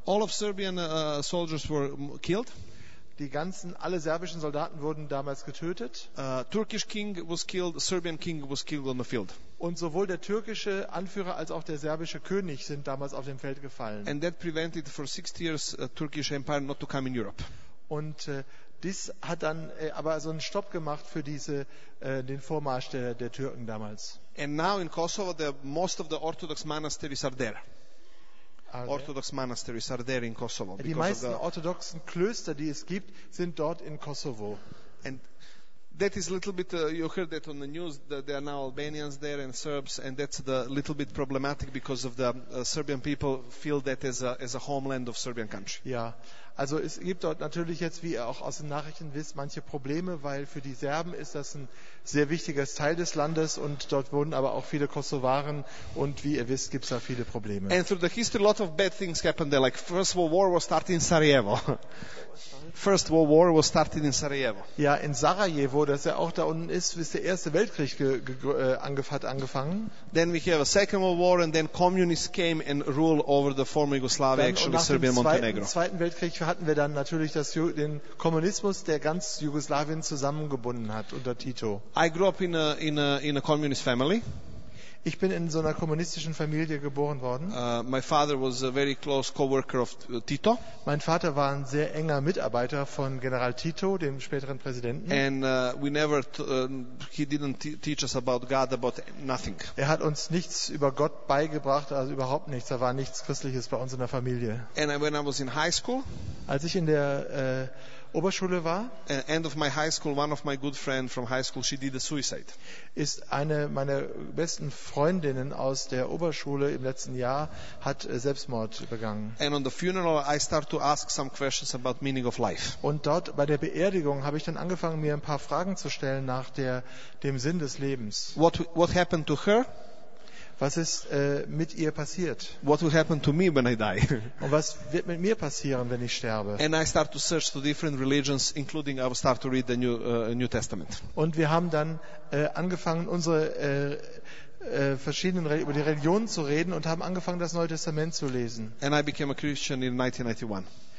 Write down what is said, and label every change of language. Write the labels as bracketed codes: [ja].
[en] All of Serbian soldiers were killed. [de] Alle serbischen Soldaten wurden damals getötet. [en] Turkish king was killed, Serbian king was killed on the field. [de] Und sowohl der türkische Anführer als auch der serbische König sind damals auf dem Feld gefallen. [en] And that prevented for 6 years Turkish Empire not to come in Europe. [de] Und dies hat dann aber so einen Stopp gemacht für den Vormarsch der Türken damals. [en] And now in Kosovo, most of the Orthodox monasteries are there. Orthodox monasteries are there in Kosovo. [de] Die meisten orthodoxen Klöster, die es gibt, sind dort in Kosovo. [en] And that is a little bit, you heard that on the news, that there are now Albanians there and Serbs, and that's a little bit problematic because of the Serbian people feel that as a homeland of Serbian country. [de] Ja, also es gibt dort natürlich jetzt, wie ihr auch aus den Nachrichten wisst, manche Probleme, weil für die Serben ist das ein sehr wichtiges Teil des Landes und dort wohnen aber auch viele Kosovaren und wie ihr wisst, gibt es da viele Probleme. [en] And through the history, a lot of bad things happened there, like First World War was starting in Sarajevo. First World War was started in Sarajevo. [de] Ja, in Sarajevo, das ja auch da unten ist, ist der Erste Weltkrieg angefangen. [en] Then we have a Second World War and then communists came and ruled over the former Yugoslavia, actually Serbia and Montenegro. [de] Im Zweiten Weltkrieg hatten wir dann natürlich den Kommunismus, der ganz Jugoslawien zusammengebunden hat unter Tito. [en] I grew up in a communist family. [de] Ich bin in so einer kommunistischen Familie geboren worden. [en] My father was a very close co-worker of Tito. [de] Mein Vater war ein sehr enger Mitarbeiter von General Tito, dem späteren Präsidenten. [en] And we never he didn't teach us about God, about nothing. [de] Er hat uns nichts über Gott beigebracht, also überhaupt nichts. Da war nichts Christliches bei uns in der Familie. [en] And when I was in high school, [de] als ich in der Oberschule war, [en] end of my high school, one of my good friend from high school, she did a suicide. [de] Ist eine meiner besten Freundinnen aus der Oberschule im letzten Jahr hat Selbstmord begangen. [en] And on the funeral I start to ask some questions about meaning of life. [de] Und dort bei der Beerdigung habe ich dann angefangen mir ein paar Fragen zu stellen nach dem Sinn des Lebens. [en] What happened to her? [de] Was ist mit ihr passiert? [en] What will happen to me when I die? [de] Und was wird mit mir passieren, wenn ich sterbe? [en] And I start to search for different religions, including I will start to read the New Testament. [de] Und wir haben dann angefangen, unsere verschiedenen über die Religionen zu reden und haben angefangen, das Neue Testament zu lesen. [en] And I became a Christian in 1991.